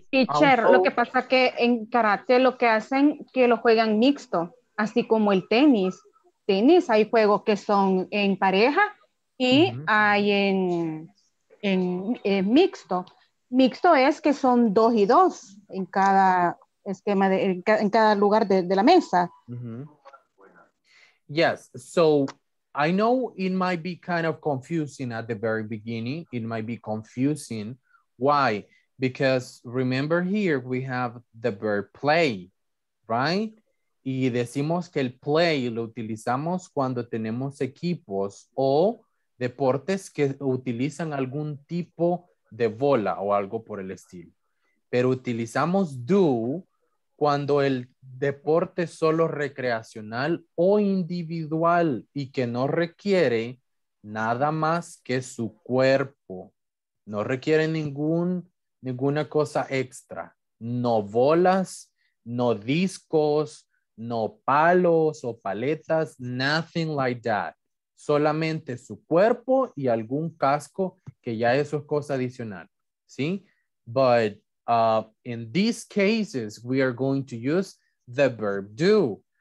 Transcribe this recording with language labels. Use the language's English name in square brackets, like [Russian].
[Spanish] Teacher, lo que pasa que en karate lo que hacen que lo juegan mixto, así como el tenis. Tenis, hay juegos que son en pareja y hay en mixto. Mixto es que son dos y dos en cada esquema de en cada lugar de la mesa. [English] Yes, so I know it might be kind of confusing at the very beginning. It might be confusing. Why? Because remember here, we have the verb play, right? [Spanish] Y decimos que el play lo utilizamos cuando tenemos equipos o deportes que utilizan algún tipo de bola o algo por el estilo. Pero utilizamos do cuando el deporte es solo recreacional o individual y que no requiere nada más que su cuerpo. No requiere ninguna cosa extra. No bolas, no discos, no palos o paletas, [English] nothing like that. [Spanish] Solamente su cuerpo y algún casco, que ya eso es cosa adicional, ¿sí? [English] But in these cases, we are going to use the verb do.